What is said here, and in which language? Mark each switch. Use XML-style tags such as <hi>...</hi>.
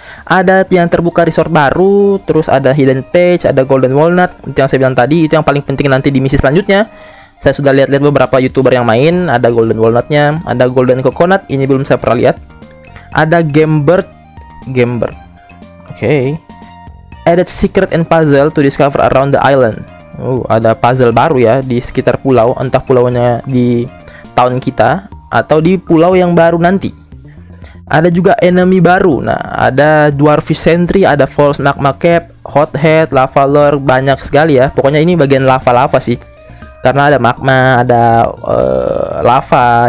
<id>Ada yang terbuka resort baru, terus ada hidden page, ada golden walnut. Itu yang saya bilang tadi, itu yang paling penting nanti di misi selanjutnya. Saya sudah lihat-lihat beberapa youtuber yang main, ada golden walnutnya, ada golden coconut, ini belum saya pernah lihat. Ada gamebird. Oke, okay.</id> <en>Added secret and puzzle to discover around the island.</en> <id>Ada puzzle baru ya di sekitar pulau, entah pulaunya di town kita atau di pulau yang baru nanti. Ada juga enemy baru. Nah, ada dwarfish sentry, ada false magma cap, hothead, lava lord, banyak sekali ya. Pokoknya ini bagian lava-lava sih, karena ada magma, ada lava.</id>